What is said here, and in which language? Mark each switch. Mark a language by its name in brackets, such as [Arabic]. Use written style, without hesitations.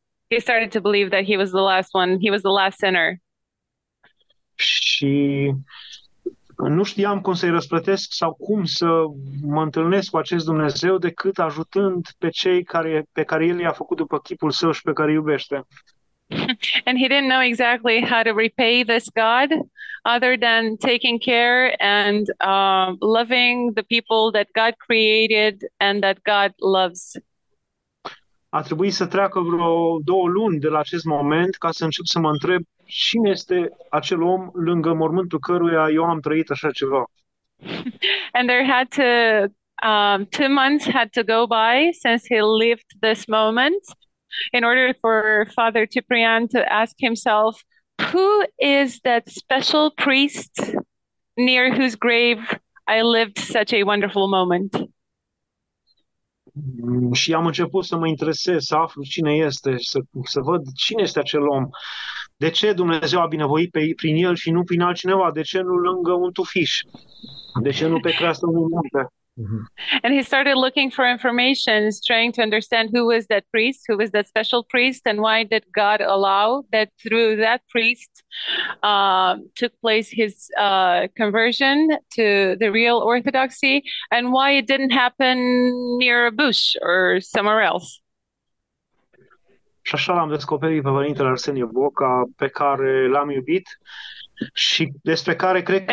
[English] He started to believe that he was the last one. He was the last sinner. [Romanian] Și nu știam cum să-i răsplătesc sau cum să mă întâlnesc cu acest Dumnezeu decât ajutând pe cei care, pe care El i-a făcut după chipul său și pe care îi iubește. [English] And he didn't know exactly how to repay this God other than taking care and loving the people that God created and that God loves. [Romanian] A trebuit să treacă vreo două luni de la acest moment ca să încep să mă întreb cine este acel om lângă mormântul căruia eu am trăit așa ceva. [English] And there had to 2 months had to go by since he lived this moment, in order for Father Ciprian to ask himself, who is that special priest near whose grave I lived such a wonderful moment? [Romanian] Și am început să mă interesez, să aflu cine este, să văd cine este acel om. De ce Dumnezeu a binevoit prin el și nu prin altcineva? De ce nu lângă un tufiș? De ce nu pe creastă unui munte? [English] And he started looking for information, trying to understand who was that priest, who was that special priest, and why did God allow that through that priest took place his conversion to the real orthodoxy, and why it didn't happen near a bush or somewhere else. [Romanian] Și așa l-am descoperit pe părintele Arsenie Boca, pe care l-am iubit și despre care cred că